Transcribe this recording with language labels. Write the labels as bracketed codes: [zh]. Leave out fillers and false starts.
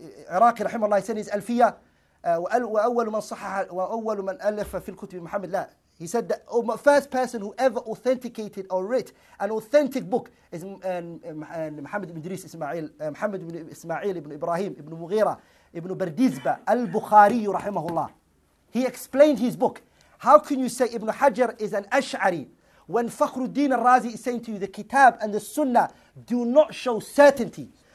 [en] Iraqi rahimahullah, he said his alfiyah. [ar] وأول من ألف في الكتب محمد لا. [en] He said that the first person who ever authenticated or wrote an authentic book is Muhammad ibn Idris Ismail, Muhammad ibn Ismail ibn Ibrahim ibn Mughira ibn Bardizba al-Bukhari rahimahullah. He explained his book. How can you say Ibn Hajar is an Ash'ari when Fakhruddin al-Razi is saying to you the Kitab and the Sunnah do not show certainty?